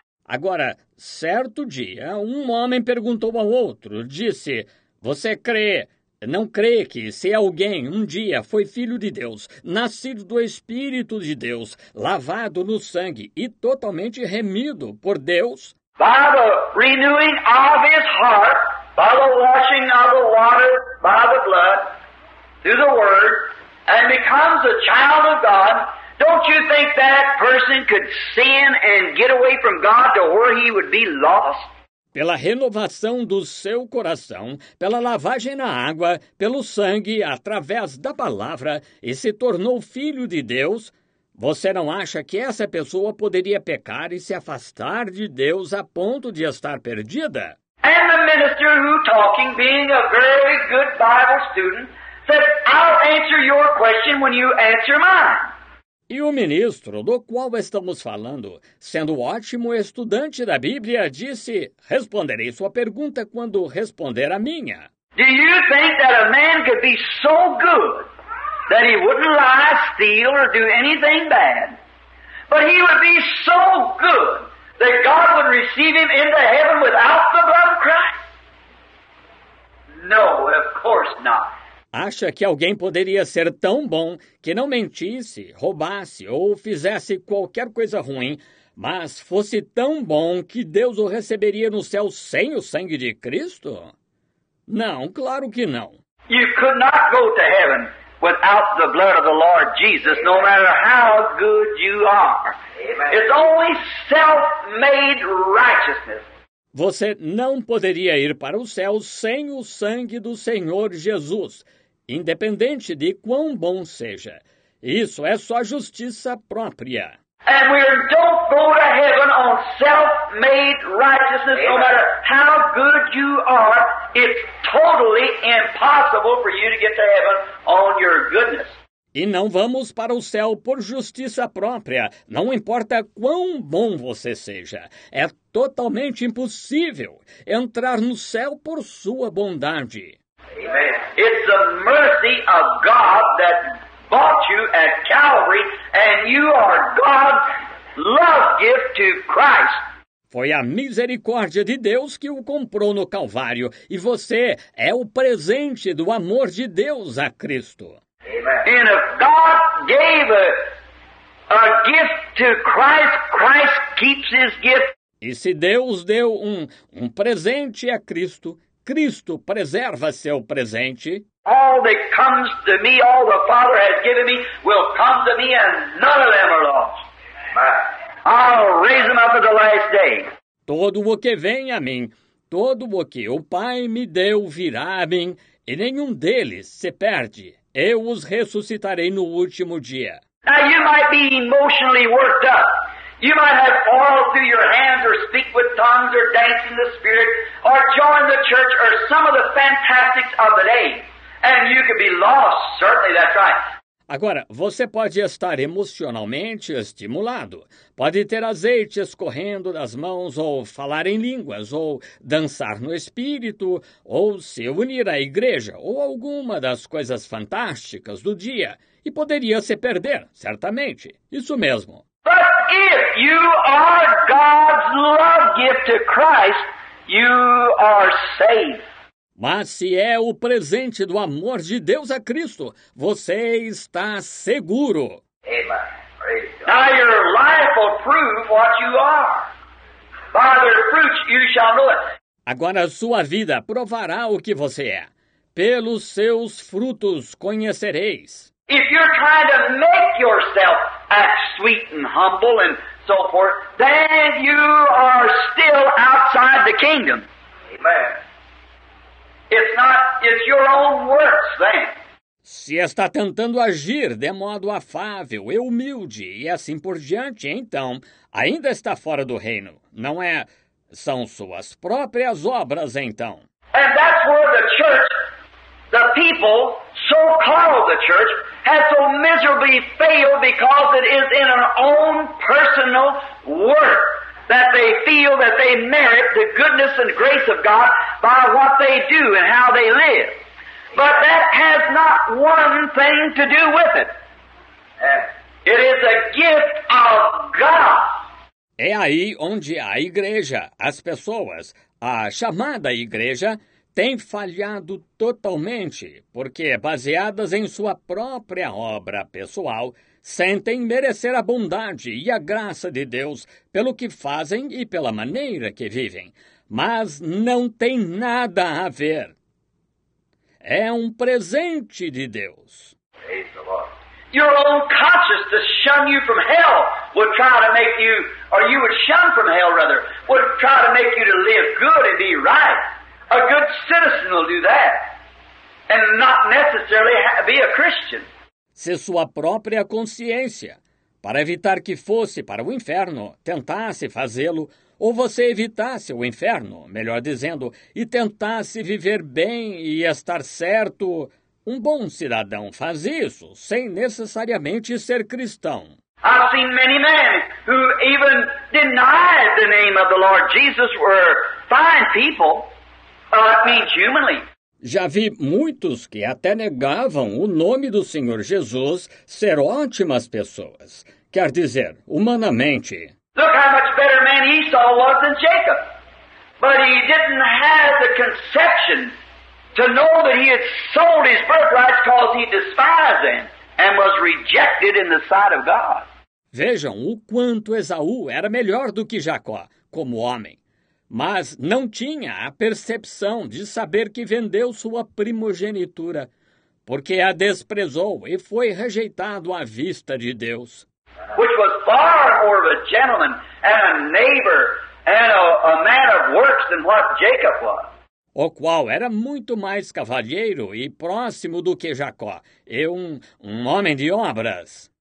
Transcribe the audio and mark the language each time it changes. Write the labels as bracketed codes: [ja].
[pt] Agora, certo dia, um homem perguntou ao outro, disse, você crê? Não crê que se alguém um dia foi filho de Deus, nascido do Espírito de Deus, lavado no sangue e totalmente remido por Deus, [en] by the renewing of his heart, by the washing of the water, by the blood, through the word, and becomes a child of God, don't you think that person could sin and get away from God to where he would be lost? [pt] Pela renovação do seu coração, pela lavagem na água, pelo sangue, através da palavra, e se tornou filho de Deus, você não acha que essa pessoa poderia pecar e se afastar de Deus a ponto de estar perdida? [en] And the minister who talking, being a very good Bible student, said, I'll answer your question when you answer mine. [pt] E o ministro do qual estamos falando, sendo ótimo estudante da Bíblia, disse, responderei sua pergunta quando responder a minha. [en] Do you think that a man could be so good that he wouldn't lie, steal, or do anything bad, but he would be so good that God would receive him into heaven without the blood of Christ? No, of course not. [pt] Acha que alguém poderia ser tão bom que não mentisse, roubasse ou fizesse qualquer coisa ruim, mas fosse tão bom que Deus o receberia no céu sem o sangue de Cristo? Não, claro que não. [en] You could not go to heaven without the blood of the Lord Jesus, no matter how good you are. It's only self-made righteousness. [pt] Você não poderia ir para o céu sem o sangue do Senhor Jesus. Independente de quão bom seja, isso é só justiça própria. [en] And we don't go to heaven on self-made righteousness, no matter how good you are, it's totally impossible for you to get to heaven on your goodness. [pt] E não vamos para o céu por justiça própria, não importa quão bom você seja. É totalmente impossível entrar no céu por sua bondade. [en] Amen. It's the mercy of God that bought you at Calvary, and you are God's love gift to Christ. [pt] Foi a misericórdia de Deus que o comprou no Calvário, e você é o presente do amor de Deus a Cristo. [en] Amen. And if God gave a gift to Christ, Christ keeps his gift. [pt] E se Deus deu um presente a Cristo, Cristo preserva seu presente. [en] All that comes to me, all the Father has given me, will come to me and none of them are lost. I'll raise them up at the last day. [pt] Todo o que vem a mim, todo o que o Pai me deu virá a mim, e nenhum deles se perde. Eu os ressuscitarei no último dia. [en] Now you might be emotionally worked up. You might have oil through your hands, or speak with tongues, or dance in the Spirit, or join the church, or some of the fantastics of the day. And you could be lost, certainly, that's right. [pt] Agora, você pode estar emocionalmente estimulado. Pode ter azeite escorrendo das mãos, ou falar em línguas, ou dançar no Espírito, ou se unir à igreja, ou alguma das coisas fantásticas do dia. E poderia se perder, certamente. Isso mesmo. [en] But if you are God's love gift to Christ, you are saved. [pt] Mas se é o presente do amor de Deus a Cristo, você está seguro. [en] Amen. Praise God. Now your life will prove what you are. By their fruits you shall know it. [pt] Agora sua vida provará o que você é. Pelos seus frutos conhecereis. [en] If you're trying to make yourself act sweet and humble and so forth, then you are still outside the kingdom. Amen. It's your own works, then. [pt] Se está tentando agir de modo afável e humilde e assim por diante, então, ainda está fora do reino, não é? São suas próprias obras, então. [en] And that's where the church, the people, so-called the church, has so miserably failed because it is in an own personal work. That they feel that they merit the goodness and grace of God by what they do and how they live. But that has not one thing to do with it. It is a gift of God. [pt] É aí onde a igreja, as pessoas, a chamada igreja, tem falhado totalmente, porque, baseadas em sua própria obra pessoal, sentem merecer a bondade e a graça de Deus pelo que fazem e pela maneira que vivem, mas não tem nada a ver. É um presente de Deus. [en] Your own conscience to shun you from hell would try to make you, or you would shun from hell rather, would try to make you to live good and be right. A good citizen will do that, and not necessarily be a Christian. [pt] Se sua própria consciência, para evitar que fosse para o inferno, tentasse fazê-lo, ou você evitasse o inferno, melhor dizendo, e tentasse viver bem e estar certo, um bom cidadão faz isso, sem necessariamente ser cristão. [en] I've seen many men who even denied the name of the Lord Jesus were fine people, humanly. [pt] Já vi muitos que até negavam o nome do Senhor Jesus ser ótimas pessoas. Quer dizer, humanamente. [en] Look how much better man Esau was than Jacob. But he didn't have the conception to know that he had sold his birthright because he despised him and was rejected in the sight of God. [pt] Vejam o quanto Esaú era melhor do que Jacó como homem. Mas não tinha a percepção de saber que vendeu sua primogenitura, porque a desprezou e foi rejeitado à vista de Deus. [en] Which was far more of a gentleman and a neighbor and a man of works than what Jacob was. [pt] O qual era muito mais cavalheiro e próximo do que Jacó, e um homem de obras.